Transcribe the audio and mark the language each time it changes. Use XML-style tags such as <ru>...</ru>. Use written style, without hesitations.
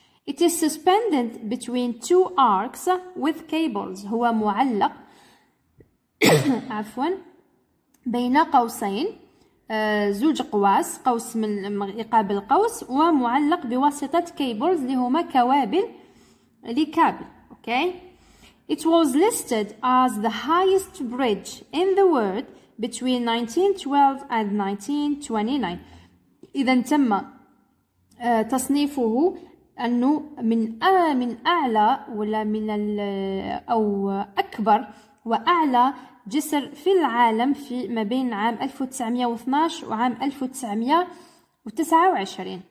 <en>It is suspended between two arcs with cables.</en> <ar>هو معلق عفوا بين قوسين، زوج قواس، قوس من يقابل قوس، ومعلق بواسطة كيبلز اللي هما كوابل لكابل. اوكي.</ar> <en>It was listed as the highest bridge in the world between 1912 and 1929.</en> <ar>إذا تم تصنيفه أنه من أعلى ولا من أو أكبر وأعلى جسر في العالم في ما بين عام 1912 وعام 1929.</ar>